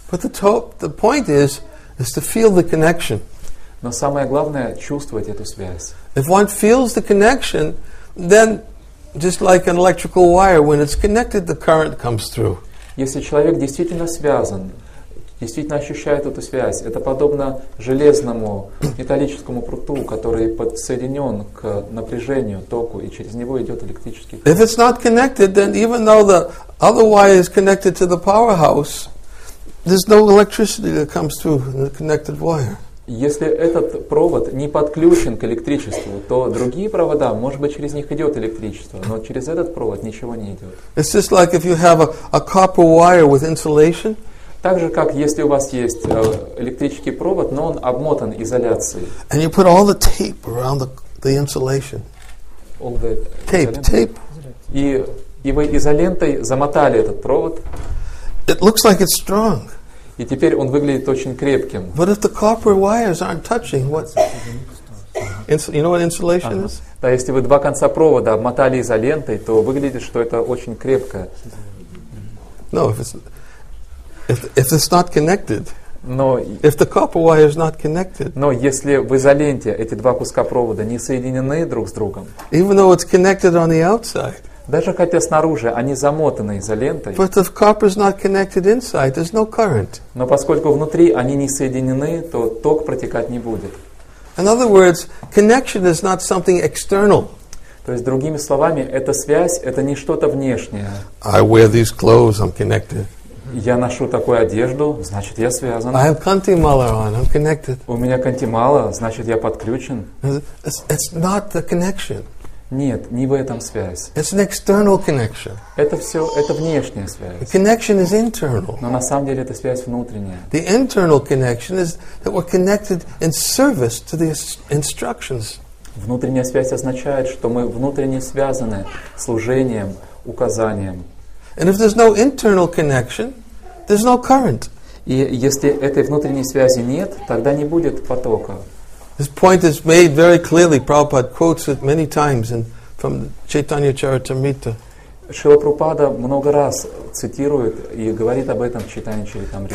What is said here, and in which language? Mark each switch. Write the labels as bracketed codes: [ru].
[en] But the point is to feel the connection. [ru] Но самое главное — чувствовать эту связь. [en] If one feels the connection, then just like an electrical wire, when it's connected, the current comes through. [ru] Если человек действительно связан, действительно ощущает эту связь, это подобно железному металлическому пруту, который подсоединен к напряжению, току, и через него идет электрический [en] current. If it's not connected, then even though the other wire is connected to the powerhouse, there's no electricity that comes through in the connected wire. [ru] Если этот провод не подключен к электричеству, то другие провода, может быть, через них идет электричество, но через этот провод ничего не идет. [en] It's just like if you have a copper wire with insulation. [ru] Так же, как если у вас есть электрический провод, но он обмотан изоляцией. [en] And you put all the tape around the insulation. All the tape. [ru] И вы изолентой замотали этот провод. [en] It looks like it's strong. [ru] И теперь он выглядит очень крепким. [en] But if the copper wires aren't touching, what? You know what insulation is? [ru] Да, если вы два конца провода обмотали изолентой, то выглядит, что это очень крепко. [en] No, if it's not connected. [ru] Но [en] if the copper wire is not connected. [ru] Но если в изоленте эти два куска провода не соединены друг с другом. [en] Even though it's connected on the outside. [ru] Даже хотя снаружи они замотаны изолентой. [en] But if copper is not connected inside, there's no current. [ru] Но поскольку внутри они не соединены, то ток протекать не будет. [en] In other words, connection is not something external. [ru] То есть, другими словами, эта связь — это не что-то внешнее. [en] I wear these clothes, I'm connected. [ru] Я ношу такую одежду, значит, я связан. [en] I have Kanti Mala on, I'm connected. [ru] У меня Kanti Mala, значит, я подключен. [en] It's not the connection. [ru] Нет, не в этом связь. [en] It's an external connection. [ru] Это внешняя связь. [en] The connection is internal. [ru] Но на самом деле это связь внутренняя. [en] The internal connection is that we're connected in service to the instructions. [ru] Внутренняя связь означает, что мы внутренне связаны служением, указанием. [en] And if there's no internal connection, there's no current. [ru] И если этой внутренней связи нет, тогда не будет потока. [en] This point is made very clearly. Prabhupada quotes it many times from Chaitanya Charitamrita. [ru] Шрила Прабхупада много раз цитирует и говорит об этом в читании Чаритамриты.